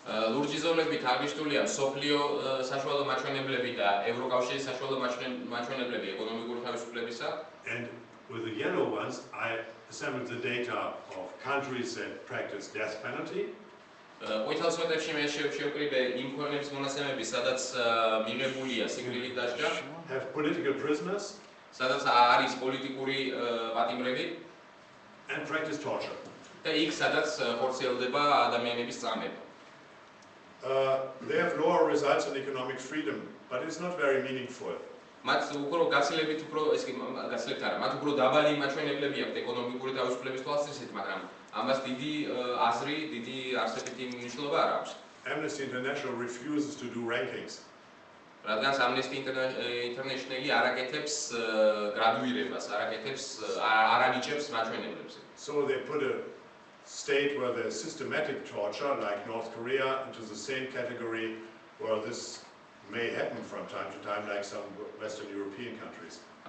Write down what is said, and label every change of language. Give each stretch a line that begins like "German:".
Georgian: ლურჯიზოლებით აღნიშნულია სოფლიო საშუალო მაჩვენებლები და ევროკავშირის საშუალო მაჩვენებლები ეკონომიკური თავისუფლებისა.
English: And with the yellow ones I assembled the data of countries that practice death penalty.
Georgian: ოთხასოთებში მე შევკრიბე იმ ქვეყნების მონაცემები სადაც მიღებულია სიკვდილის დასჯა.
English: Have political prisoners.
Georgian: სადაც არის პოლიტიკური პატიმრები.
English: And practice torture.
Georgian: და იქ სადაც ხორციელდება ადამიანების წამება.
English: They have lower results in economic freedom, but it's not very meaningful.
Georgian: მათ უფრო გასილებით უფრო ეს კი გასილებთ არა, მათ უფრო დაბალი მაჩვენებლები აქვთ ეკონომიკური თავისუფლების თვალსაზრისით, მაგრამ ამას დიდი აზრი, დიდი არსებითი მნიშვნელობა არ აქვს.
English: Amnesty International refuses to do rankings.
Georgian: რადგან Amnesty International-ი არ აკეთებს გრადუირებას, არ აკეთებს არ ანიჭებს მაჩვენებლებს.
English: So they put a state where there is systematic torture like North Korea into the same category where this may happen from time to time like some Western European countries.